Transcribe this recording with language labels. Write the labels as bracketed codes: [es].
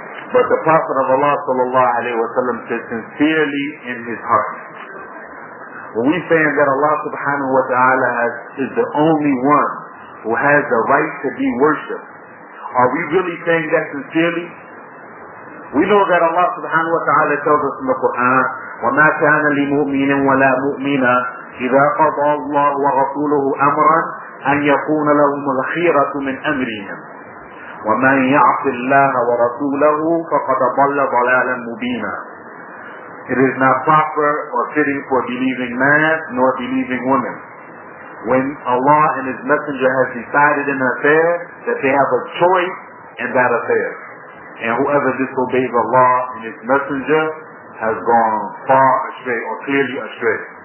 [en] But the Prophet of Allah sallallahu alayhi wa sallam said sincerely in his heart. When we say that Allah subhanahu wa ta'ala is the only one who has the right to be worshipped, are we really saying that sincerely? We know that Allah subhanahu wa ta'ala tells us in the Quran, [ar] وَمَا كَانَ لِمُؤْمِنٍ وَلَا مُؤْمِنًا إِذَا قَضَى اللَّهُ وَرَسُولُهُ أَمْرًا أَنْ يَكُونَ لَهُمُ الْخِيرَةُ مِنْ أَمْرِهِمْ وَمَنْ يَعْصِ اللَّهَ وَرَسُولَهُ فَقَدَ ضَلَّ ضَلَالًا مُبِينًا. [en] It is not proper or fitting for believing man nor believing woman when Allah and His Messenger has decided in an affair that they have a choice in that affair. And whoever disobeys Allah and His Messenger has gone far astray or clearly astray.